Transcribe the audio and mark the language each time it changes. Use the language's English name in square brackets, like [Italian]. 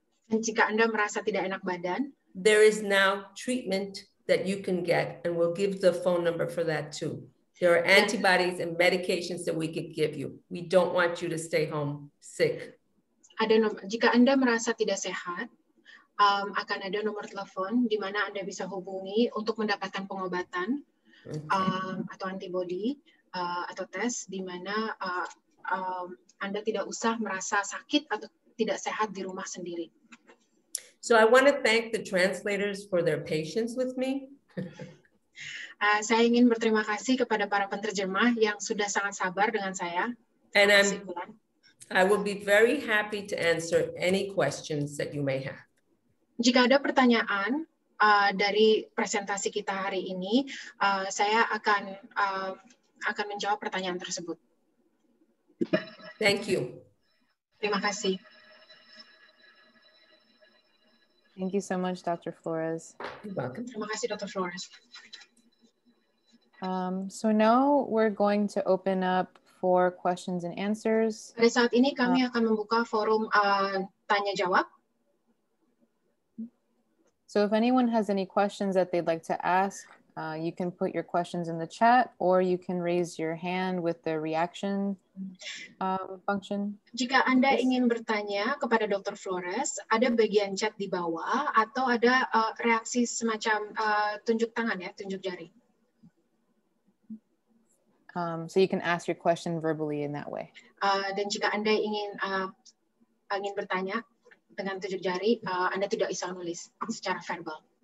[Indonesian] dan jika Anda merasa tidak enak badan, [English] there is now treatment that you can get, and we'll give the phone number for that too. There are antibodies and medications that we could give you. We don't want you to stay home sick. [Indonesian] Ada nomor, jika Anda merasa tidak sehat, akan ada nomor telepon di mana Anda bisa hubungi untuk mendapatkan pengobatan atau antibody atau tes di mana Anda tidak usah merasa sakit atau tidak sehat di rumah sendiri. [English] So I want to thank the translators for their patience with me. [Indonesian] Saya ingin berterima kasih kepada para penterjemah yang sudah sangat sabar dengan saya. [English] And I will be very happy to answer any questions that you may have. [Indonesian] Jika ada pertanyaan dari presentasi kita hari ini, saya akan menjawab pertanyaan tersebut. [English] Thank you. [Indonesian] Terima kasih. [English] Thank you so much, Dr. Flores. You're welcome. [Indonesian] Terima kasih, Dr. Flores. [English] So now we're going to open up for questions and answers. [Indonesian] Pada saat ini kami akan membuka forum tanya jawab. [English] So if anyone has any questions that they'd like to ask, you can put your questions in the chat or you can raise your hand with the reaction function. [Indonesian] Jika Anda ingin bertanya kepada Dr. Flores, ada bagian chat di bawah atau ada reaksi semacam tunjuk tangan ya, tunjuk jari. [English] So you can ask your question verbally in that way. [Indonesian] Dan jika Anda ingin ingin bertanya dengan tunjuk jari, Anda tidak bisa nulis secara verbal.